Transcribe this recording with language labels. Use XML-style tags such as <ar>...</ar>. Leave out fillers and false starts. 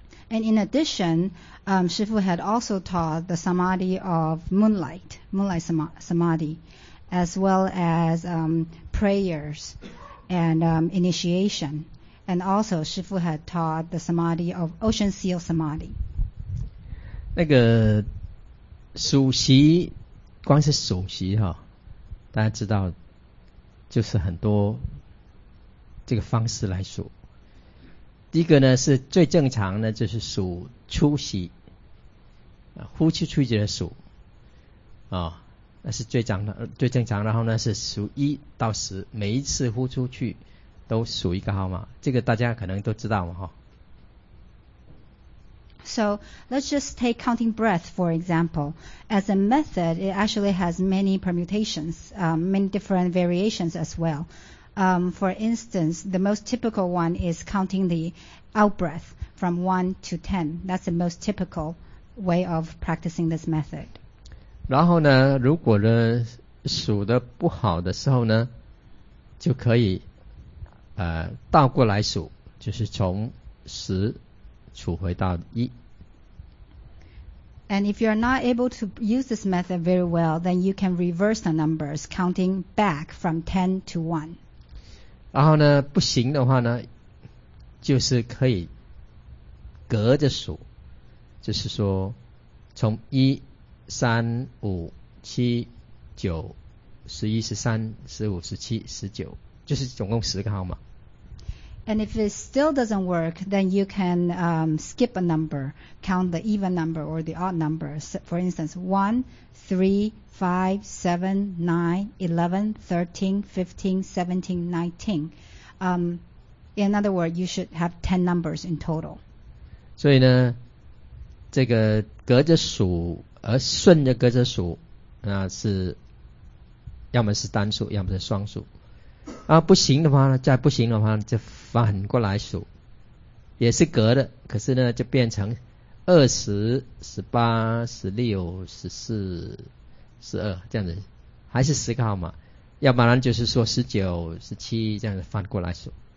<en>And in addition, Shifu had also taught the samadhi of moonlight samadhi, as well as prayers and initiation. And also Shifu had taught the samadhi of ocean seal samadhi.</en> <zh>那个数息，光是数息哈，大家知道就是很多这个方式来数。第一个呢是最正常的，就是数出息，呼气出息的数啊，那是最正常。然后呢是数一到十，每一次呼出去都数一个号码，这个大家可能都知道嘛哈。</zh> <en>So let's just take counting breath for example. As a method, it actually has many permutations, many different variations as well. For instance, the most typical one is counting the out breath from 1 to 10. That's the most typical way of practicing this method.</en> <zh>然后呢，如果呢数的不好的时候呢，就可以倒过来数，就是从十数回到一。</zh> <en>And if you're not able to use this method very well, then you can reverse the numbers, counting back from 10 to 1.</en> <zh>然后呢，不行的话呢，就是可以隔着数，就是说从一、三、五、七、九、十一、十三、十五、十七、十九，就是总共十个号码。</zh> <en>And if it still doesn't work, then you can skip a number, count the even number or the odd number. For instance, 1, 3, 5, 7, 9, 11, 13, 15, 17, 19. In other words, you should have 10 numbers in total.</en> <zh>所以呢，这个隔着数，而顺着隔着数，那是要么是单数，要么是双数。啊，不行的话呢，再不行的话就反过来数，也是隔的，可是呢就变成20, 18, 16, 14, 12这样子，还是十个号码，要不然就是说19, 17这样子反过来数。</zh>